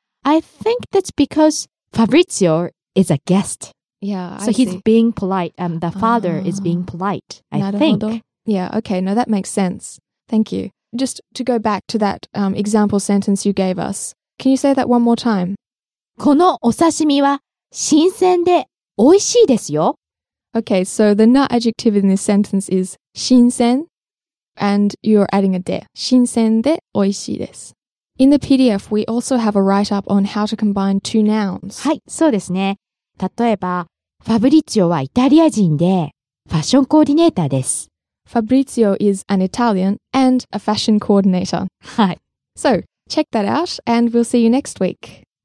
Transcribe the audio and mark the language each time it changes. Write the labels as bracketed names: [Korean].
[English] I think that's because Fabrizio is a guest. Yeah, so I see. So he's being polite. The father is being polite, I think. Yeah, okay. No, that makes sense. Thank you. Just to go back to that example sentence you gave us. Can you say that one more time? [Japanese] このお刺身は新鮮で美味しいですよ。 [English] Okay, so the na adjective in this sentence is 新鮮, and you're adding a で. [Japanese] 新鮮で美味しいです. [English] In the PDF, we also have a write-up on how to combine two nouns. [Japanese] はい、そうですね。例えば、ファブリツィオはイタリア人で、ファッションコーディネーターです。 [English] Fabrizio is an Italian and a fashion coordinator. [Japanese] はい。 [English] So, check that out, and we'll see you next week.